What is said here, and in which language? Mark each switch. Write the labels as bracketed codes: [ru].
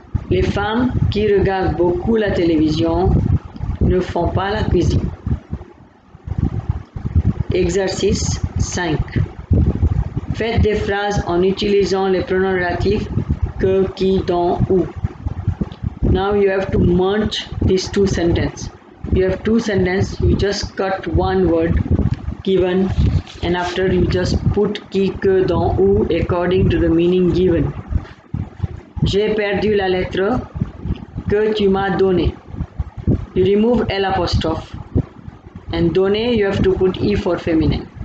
[fr] Les femmes qui regardent beaucoup la télévision ne font pas la cuisine. Exercice 5. Faites des phrases en utilisant les pronoms relatifs que, qui, dans, où. [en] Now you have to merge these two sentences. You have two sentences, you just cut one word given and after you just put qui, que, dans, où according to the meaning given. [fr] J'ai perdu la lettre que tu m'as donnée. [en] You remove L apostrophe. And donner, you have to put E for féminin.